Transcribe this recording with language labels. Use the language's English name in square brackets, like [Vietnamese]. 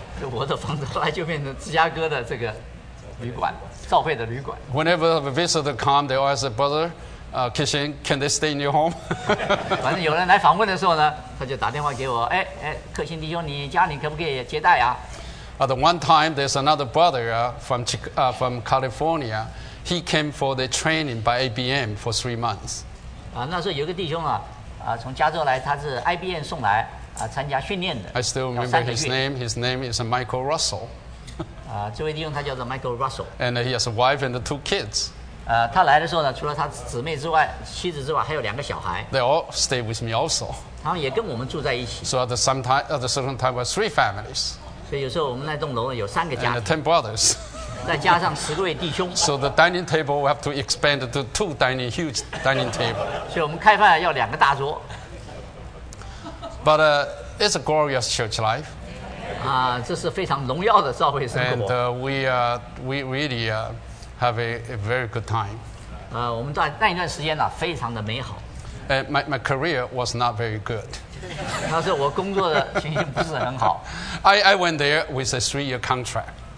[Chinese] 我的房子后来就变成芝加哥的这个旅馆，召会的旅馆。 [English] Whenever a visitor come, they always say, "Brother, Kishin, can they stay in your home?" [Chinese] 反正有人来访问的时候呢，他就打电话给我，克欣弟兄，你家里可不可以接待啊？ [English] The one time, there's another brother from California. He came for the training by IBM for 3 months. [Chinese] 那时候有个弟兄从加州来，他是 IBM 送来参加训练的。 [English] I still remember his name. His name is Michael Russell. [Chinese] 这位弟兄他叫做 Michael Russell. [English] And he has a wife and two kids. [Chinese] 他来的时候呢，除了他姊妹之外，妻子之外，还有两个小孩。 [English] They all stay with me also. [Chinese] 他们也跟我们住在一起。 [English] So at a certain time, we have three families. [Chinese] 所以有时候我们那栋楼有三个家庭 [English] and ten brothers. [Chinese] 再加上十个位弟兄 [English] So the dining table we have to expand to two dining huge dining table. [Chinese] 所以我们开饭要两个大桌 [English] But it's a glorious church life. [Chinese] 这是非常荣耀的召会生活 [English] And we really have a very good time. [Chinese] 我们在那一段时间非常的美好 [English] And my career was not very good. [Chinese] 那时候我工作的情形不是很好。 [English] I went there with a three-year contract.